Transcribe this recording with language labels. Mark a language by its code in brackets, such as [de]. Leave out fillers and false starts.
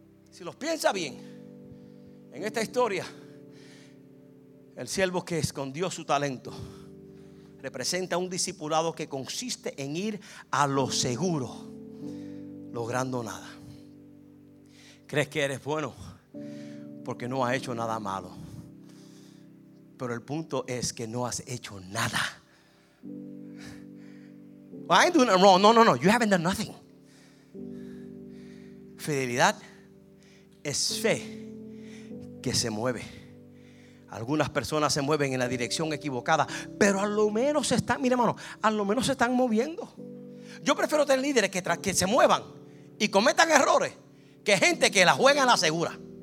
[es] Si los piensa bien, en esta historia, el siervo que escondió su talento representa un discipulado que consiste en ir a lo seguro, logrando nada. Crees que eres bueno porque no has hecho nada malo. Pero el punto es que no has hecho nada. [en] Well, I ain't doing it wrong. No. You haven't done nothing. [es] Fidelidad es fe que se mueve. Algunas personas se mueven en la dirección equivocada, pero a lo menos están, mire, hermano, a lo menos se están moviendo. Yo prefiero tener líderes que se muevan y cometan errores que gente que la juega en la segura.